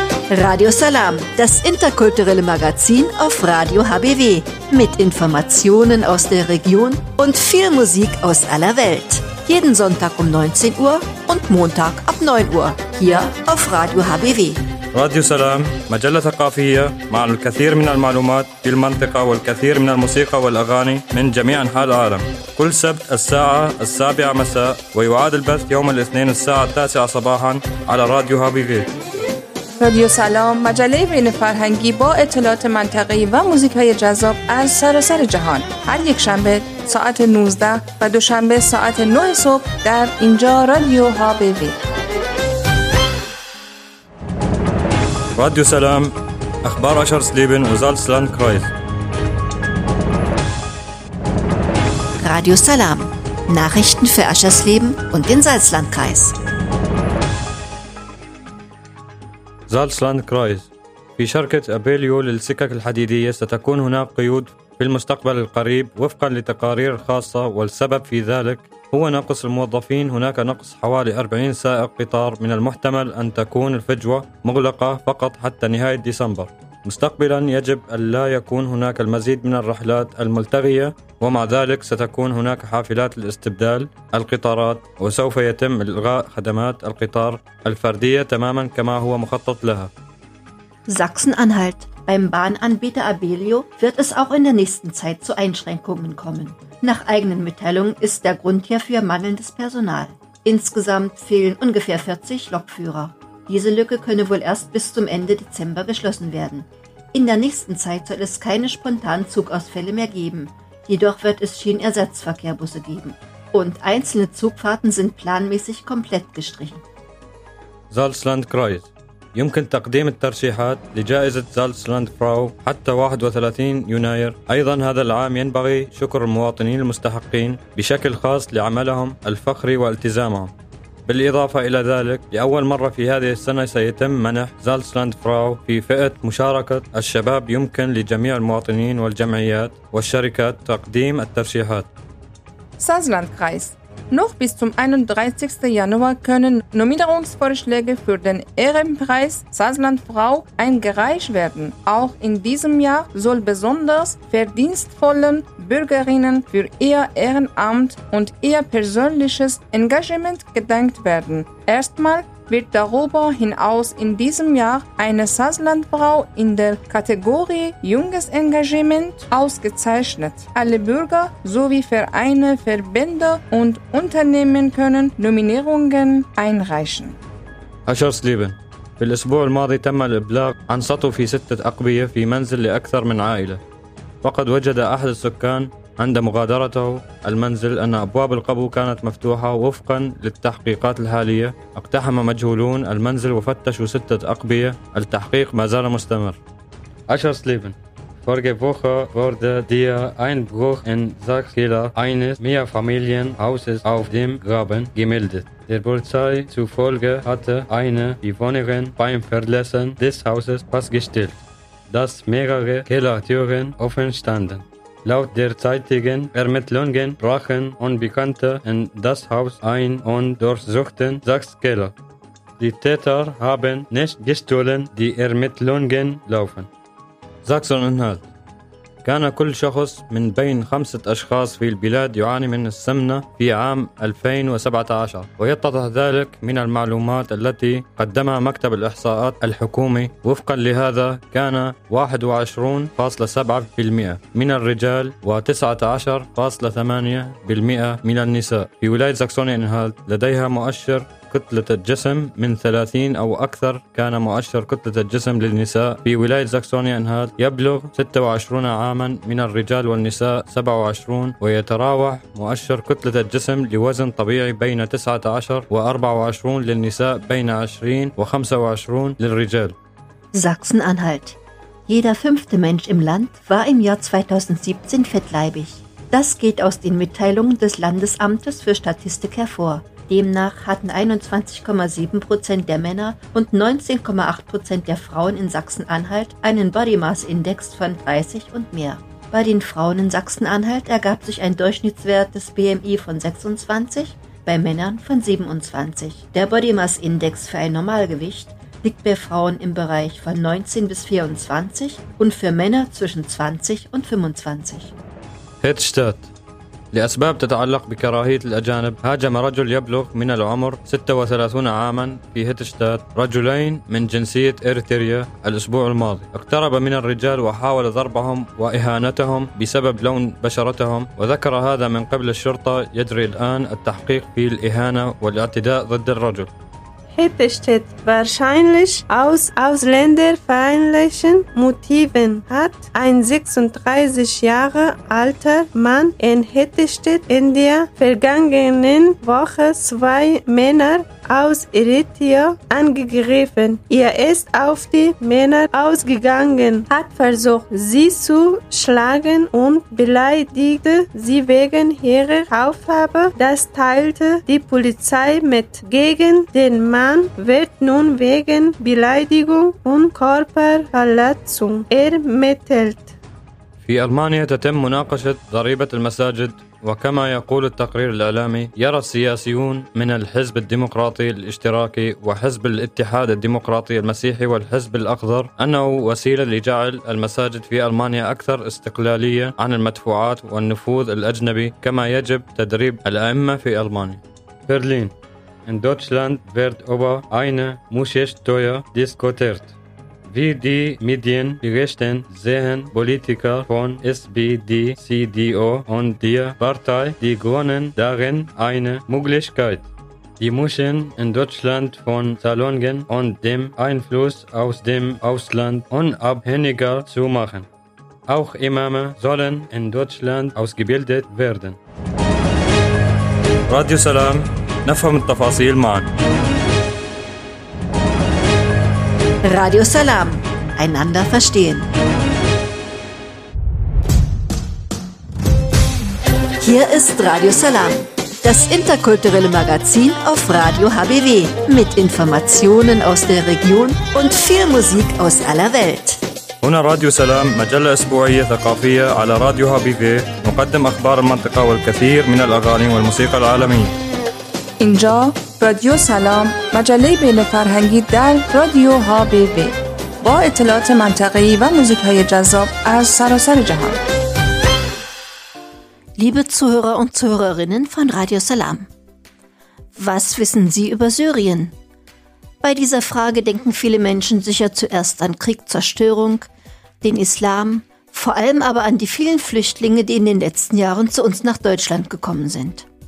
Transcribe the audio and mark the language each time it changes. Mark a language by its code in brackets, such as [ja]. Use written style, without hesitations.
[de] Radio Salam, das interkulturelle Magazin auf Radio HBW. Mit Informationen aus der Region und viel Musik aus aller Welt. Jeden Sonntag um 19 Uhr und Montag ab 9 Uhr. Hier auf Radio HBW. [ar] Radio Salam, مجلة ثقافية مع الكثير من المعلومات في المنطقة والكثير من الموسيقى والأغاني من جميع أنحاء العالم. كل سبت الساعة 7 مساء ويعاد البث يوم الاثنين الساعة 9 صباحا على راديو HBV. [fa] رادیو سلام، مجله بین فرهنگی با اطلاعات منطقه‌ای و موزیک‌های جذاب از سراسر جهان، هر یک شنبه ساعت 19 و دوشنبه ساعت 9 صبح در اینجا رادیو HBV. رادیو سلام، اخبار اشهر سلیبن و زالسلاند کرایز. رادیو سلام، نخبارهای فر اشهر سلیبن و دن زالسلاند کرایز. [ar] زالسلاند كرايز. في شركة أبيليو للسكك الحديدية ستكون هناك قيود في المستقبل القريب وفقا لتقارير خاصة، والسبب في ذلك هو نقص الموظفين. هناك نقص حوالي 40 سائق قطار، من المحتمل أن تكون الفجوة مغلقة فقط حتى نهاية ديسمبر. مستقبلا يجب أن لا يكون هناك المزيد من الرحلات الملتغية، ومع ذلك ستكون هناك حافلات لاستبدال القطارات، وسوف يتم إلغاء خدمات القطار الفردية تماما كما هو مخطط لها. [de] Sachsen-Anhalt. Beim Bahnanbieter Abellio wird es auch in der nächsten Zeit zu Einschränkungen kommen. Nach eigenen Mitteilungen ist der Grund hierfür mangelndes Personal. Insgesamt fehlen ungefähr 40 Lokführer. Diese Lücke könne wohl erst bis zum Ende Dezember geschlossen werden. In der nächsten Zeit soll es keine spontanen Zugausfälle mehr geben. Jedoch wird es Schienenersatzverkehrbusse geben. Und einzelne Zugfahrten sind planmäßig komplett gestrichen. Salzland Kreuz. [ar] يمكن تقديم الترشيحات لجائزة زالسلاند فراو حتى 31 يناير. أيضا هذا العام ينبغي شكر المواطنين المستحقين بشكل خاص لعملهم الفخري والتزامهم. بالإضافة إلى ذلك، لأول مرة في هذه السنة سيتم منح زالسلاند فراو في فئة مشاركة الشباب. يمكن لجميع المواطنين والجمعيات والشركات تقديم الترشيحات. [de] زالسلاند كرايز. Noch bis zum 31. Januar können Nominierungsvorschläge für den Ehrenpreis Salzlandfrau eingereicht werden. Auch in diesem Jahr soll besonders verdienstvollen Bürgerinnen für ihr Ehrenamt und ihr persönliches Engagement gedankt werden. Erstmal wird darüber hinaus in diesem Jahr eine Salzlandfrau in der Kategorie Junges Engagement ausgezeichnet. Alle Bürger sowie Vereine, Verbände und Unternehmen können Nominierungen einreichen. Aschers Leben. [ar] في الأسبوع الماضي تم الإبلاغ عن سطو في ستة أقبية في منزل لأكثر من عائلة. فقد وجد أحد السكان عند مغادرته المنزل أن أبواب القبو كانت مفتوحة. وفقا للتحقيقات الحالية، اقتحم مجهولون المنزل وفتشوا ستة أقبية. التحقيق ما زال مستمر. عشر سليبن. [de] Vorige Woche wurde der Einbruch in Sachkeller eines Mehrfamilienhauses auf dem Graben gemeldet. Der Polizei zufolge hatte eine Bewohnerin beim Verlassen des Hauses festgestellt, dass mehrere Kellertüren offen standen. Laut derzeitigen Ermittlungen brachen Unbekannte in das Haus ein und durchsuchten sechs Keller. Die Täter haben nicht gestohlen, die Ermittlungen laufen. Sachsen-Anhalt. [ar] كان كل شخص من بين 5 أشخاص في البلاد يعاني من السمنة في عام 2017، ويتضح ذلك من المعلومات التي قدمها مكتب الإحصاءات الحكومي. وفقا لهذا، كان 21.7% من الرجال و 19.8% من النساء في ولاية ساكسوني-أنهالت لديها مؤشر كتلة الجسم من 30 أو أكثر. كان مؤشر كتلة الجسم للنساء في ولاية ساكسوني-أنهالت يبلغ 26 عاما من الرجال والنساء 27، ويتراوح مؤشر كتلة الجسم لوزن طبيعي بين 19 و24 للنساء، بين 20 و25 للرجال. [de] Sachsen-Anhalt. Jeder fünfte Mensch im Land war im Jahr 2017 fettleibig. Das geht aus den Mitteilungen des Landesamtes für Statistik hervor. Demnach hatten 21,7% der Männer und 19,8% der Frauen in Sachsen-Anhalt einen Body-Mass-Index von 30 und mehr. Bei den Frauen in Sachsen-Anhalt ergab sich ein Durchschnittswert des BMI von 26, bei Männern von 27. Der Body-Mass-Index für ein Normalgewicht liegt bei Frauen im Bereich von 19 bis 24 und für Männer zwischen 20 und 25. Hedstadt. [ar] لأسباب تتعلق بكراهية الأجانب هاجم رجل يبلغ من العمر 36 عاما في هيتشتات رجلين من جنسية إريتريا الأسبوع الماضي اقترب من الرجال وحاول ضربهم وإهانتهم بسبب لون بشرتهم وذكر هذا من قبل الشرطة يجري الآن التحقيق في الإهانة والاعتداء ضد الرجل [de] Hettstedt wahrscheinlich aus ausländerfeindlichen Motiven hat ein 36 Jahre alter Mann in Hettstedt in der vergangenen Woche zwei Männer aus Eritrea angegriffen. Er ist auf die Männer ausgegangen, hat versucht, sie zu schlagen und beleidigte sie wegen ihrer Hautfarbe. Das teilte die Polizei mit. Gegen den Mann wird nun wegen Beleidigung und Körperverletzung ermittelt. [ar] في ألمانيا تتم مناقشة ضريبة المساجد وكما يقول التقرير الإعلامي يرى السياسيون من الحزب الديمقراطي الاشتراكي وحزب الاتحاد الديمقراطي المسيحي والحزب الأخضر أنه وسيلة لجعل المساجد في ألمانيا أكثر استقلالية عن المدفوعات والنفوذ الأجنبي كما يجب تدريب الأئمة في ألمانيا برلين [de] In Deutschland wird über eine Moscheesteuer diskutiert. Wie die Medien berichten, sehen Politiker von SPD, CDU und der Partei Die Grünen darin eine Möglichkeit, die Moscheen in Deutschland von Salonen und dem Einfluss aus dem Ausland unabhängiger zu machen. Auch Imame sollen in Deutschland ausgebildet werden. [ar] Radio Salam, نفهم التفاصيل معا. [de] Radio Salam. Einander verstehen. Hier ist Radio Salam. Das interkulturelle Magazin auf Radio HBW. Mit Informationen aus der Region und viel Musik aus aller Welt. [ar] هنا راديو سلام مجلة أسبوعية ثقافية على راديو HBW. نقدم أخبار المنطقة والكثير من الأغاني والموسيقى العالمية. [fa] اینجا رادیو سلام مجله بین فرهنگی در رادیو ها بی بی با اطلاعات منطقه‌ای و موزیک‌های جذاب از سراسر جهان. [de] Liebe Zuhörer und Zuhörerinnen von Radio Salam. Was wissen Sie über Syrien? Bei dieser Frage denken viele Menschen sicher zuerst an Krieg, Zerstörung, den Islam, vor allem aber an die vielen Flüchtlinge, die in den letzten Jahren zu uns nach Deutschland gekommen sind.